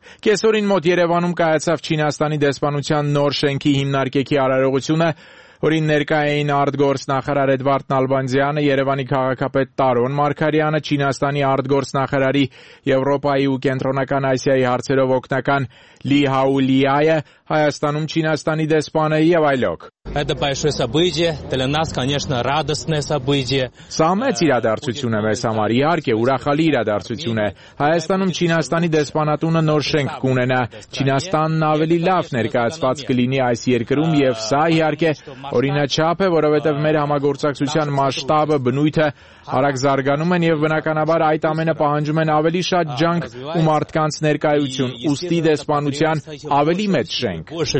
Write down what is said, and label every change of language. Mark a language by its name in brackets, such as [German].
[Armenian] Կեսօրին մոտ Երևանում կայացավ Չինաստանի դեսպանության նոր շենքի հիմնարկեքի արարողությունը, որին ներկա էին արտգործնախարար Էդվարդ Նալբանդյանը, Երևանի քաղաքապետ Տարոն Մարկարյանը, Չինաստանի արտգործնախարարի Եվրոպայի ու Կենտրոնական Ասիայի հարցերով օգնական Լի Հաուլիայը, Հայաստանում Չինաստանի դեսպանը եւ այլոք։ [Russian] Это большое событие для нас, конечно, радостное событие. [Armenian] Սամեց իրադարձություն է մեզ համար, իհարկե ուրախալի իրադարձություն է։ Հայաստանում Չինաստանի դեսպանատունը նոր շենք կունենա։ Չինաստանն ավելի լավ ներկայացված կլինի այս երկրում եւ սա իհարկե օրինաչափ է, որովհետեւ մեր համագործակցության մասշտաբը, բնույթը արագ զարգանում են եւ բնականաբար այդ ամենը պահանջում են ավելի շատ ջանք ու մարդկանց ներկայություն ուստի դեսպանության ավելի մեծ շենք։